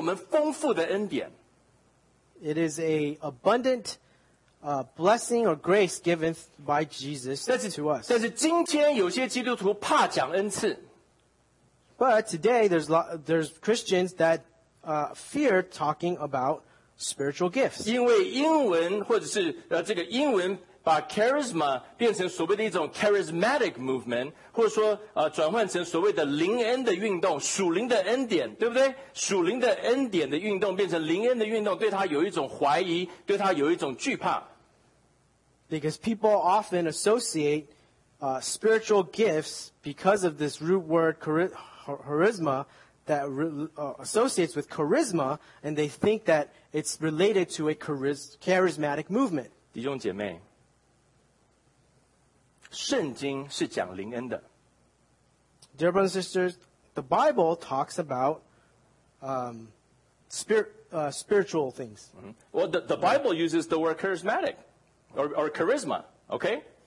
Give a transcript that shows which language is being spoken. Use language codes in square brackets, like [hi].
[zh] 是神在基督耶稣里面所赐给我们丰富的恩典。 [en] It is an abundant blessing or grace given by Jesus to us. [zh] 但是今天有些基督徒怕讲恩赐。 [en] But today there's Christians that fear talking about spiritual gifts. [zh] 因为英文或者是这个英文 把 charisma 变成所谓的一种 charismatic movement, 或者说转换成所谓的灵恩的运动，属灵的恩典，对不对？属灵的恩典的运动变成灵恩的运动，对他有一种怀疑，对他有一种惧怕。 [en] Because people often associate spiritual gifts because of this root word charisma that associates with charisma, and they think that it's related to a charismatic movement. [zh] 弟兄姐妹, 圣经是讲灵恩的。 [en] Dear brothers and sisters, the Bible talks about spiritual things. Mm-hmm. Well, the Bible uses the word charismatic or charisma, okay?